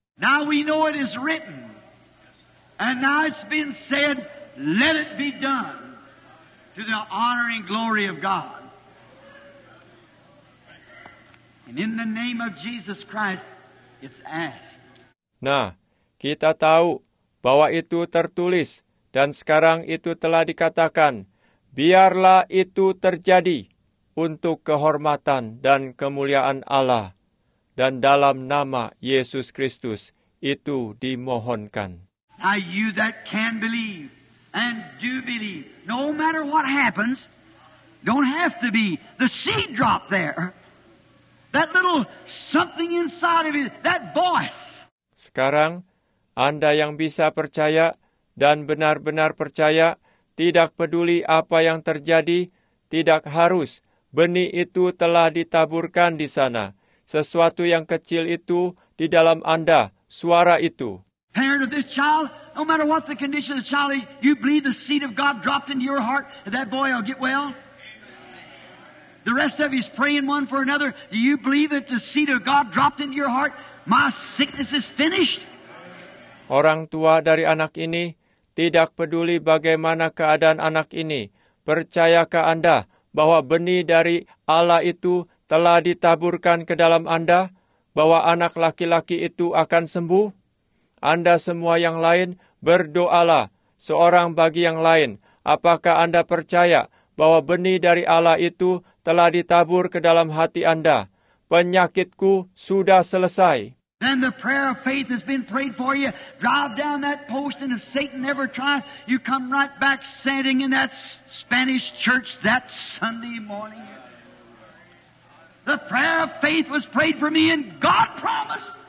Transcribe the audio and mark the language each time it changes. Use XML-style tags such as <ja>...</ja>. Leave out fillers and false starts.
<en>Now we know it is written, and now it's been said, let it be done to the honor and glory of God. And in the name of Jesus Christ, it's asked.</en> <id>Nah, kita tahu bahwa itu tertulis, dan sekarang itu telah dikatakan, biarlah itu terjadi. Untuk kehormatan dan kemuliaan Allah, dan dalam nama Yesus Kristus, itu dimohonkan.</id> <en>Now you that can believe and do believe, no matter what happens, don't have to be the seed drop there. That little something inside of you, that voice.</en> <id>Sekarang, Anda yang bisa percaya dan benar-benar percaya, tidak peduli apa yang terjadi, tidak harus. Benih itu telah ditaburkan di sana. Sesuatu yang kecil itu di dalam Anda, suara itu.</id> <en>Parent of this child, no matter what the condition of the child is, you believe the seed of God dropped into your heart, that boy will get well. The rest of you is praying one for another. Do you believe that the seed of God dropped into your heart? My sickness is finished.</en> <id>Orang tua dari anak ini tidak peduli bagaimana keadaan anak ini. Percayakah Anda? Bahwa benih dari Allah itu telah ditaburkan ke dalam Anda, bahwa anak laki-laki itu akan sembuh. Anda semua yang lain berdoalah seorang bagi yang lain. Apakah Anda percaya bahwa benih dari Allah itu telah ditabur ke dalam hati Anda? Penyakitku sudah selesai.</id> <en>Then the prayer of faith has been prayed for you. Drive down that post, and if Satan ever tries, you come right back standing in that Spanish church that Sunday morning. The prayer of faith was prayed for me, and God promised.</en>